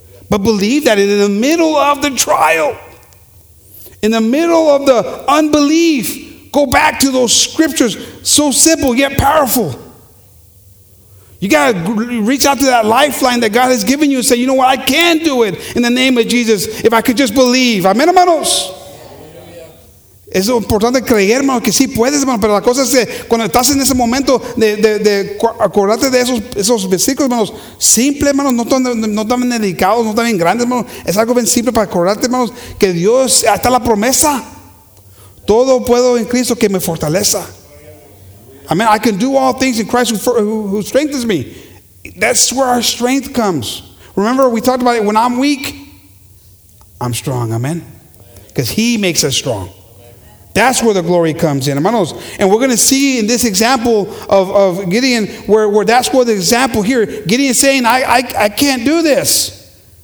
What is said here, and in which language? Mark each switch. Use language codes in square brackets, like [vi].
[en] But believe that in the middle of the trial, in the middle of the unbelief, go back to those scriptures, so simple yet powerful. You got to reach out to that lifeline that God has given you and say, you know what? I can do it in the name of Jesus if I could just believe. [es] Amen, hermanos. Es importante creer, hermano, que sí puedes, hermano. Pero la cosa es que cuando estás en ese momento de acordarte de esos versículos, hermano, simple, hermano, no tan dedicados, no tan grandes, hermano. Es algo bien simple para acordarte, hermano, que Dios, hasta la promesa, todo puedo en Cristo que me fortaleza. Amen. [en] I can do all things in Christ who strengthens me. That's where our strength comes. Remember, we talked about it. When I'm weak, I'm strong. Amen. Because He makes us strong. That's where the glory comes in, hermanos. And we're going to see in this example of Gideon, where that's where the example here, Gideon saying, I can't do this.